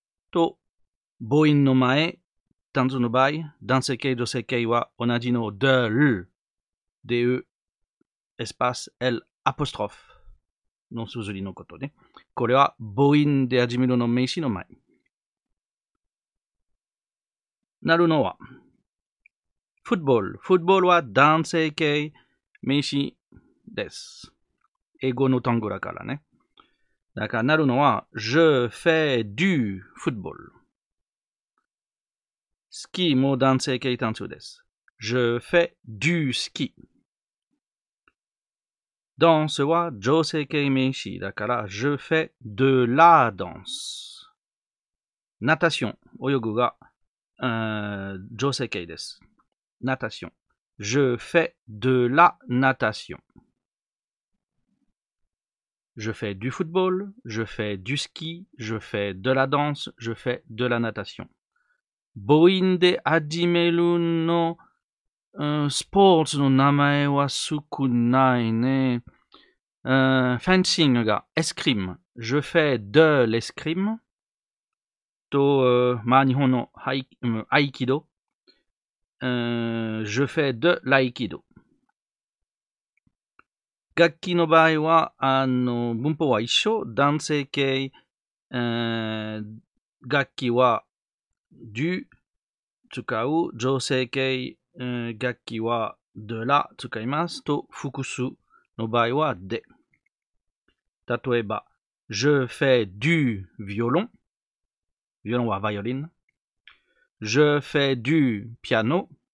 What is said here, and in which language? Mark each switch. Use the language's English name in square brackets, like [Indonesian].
[Japanese] と、母音の前、単数の場合、男性系、女性系は同じの [French] de l, de, espace, l, apostrophe [Japanese] の数字のことね。これは母音で始めるの名詞の前。なるのは、フットボール。フットボールは男性系名詞です。英語の単語だからね。だからなるのは、 [French] je fais du football。 [Japanese] スキーも男性系単数です。 [French] Je fais du ski. [Japanese] ダンスは女性系名詞だから、 [French] Je fais de la danse. [Japanese] ナタション、泳ぐが、女性系です。 [French] ナタション。Je fais de la natation. Je fais du football, je fais du ski, je fais de la danse, je fais de la natation. [Japanese] 母音で始めるの、スポーツの名前は少ないね。フェンシングが、エスクリーム。 [French] Je fais de l'escrime。 [Japanese] と、まあ、日本の aikido。 [French] Je fais de l'aikido。 [Japanese] 楽器の場合は、文法は一緒。男性系、楽器は、du、使う女性系、楽器は de la 使いますと複数の場合は de 例えば [French] Je fais du violon [Japanese] violon はバイオリン [French] Je fais du piano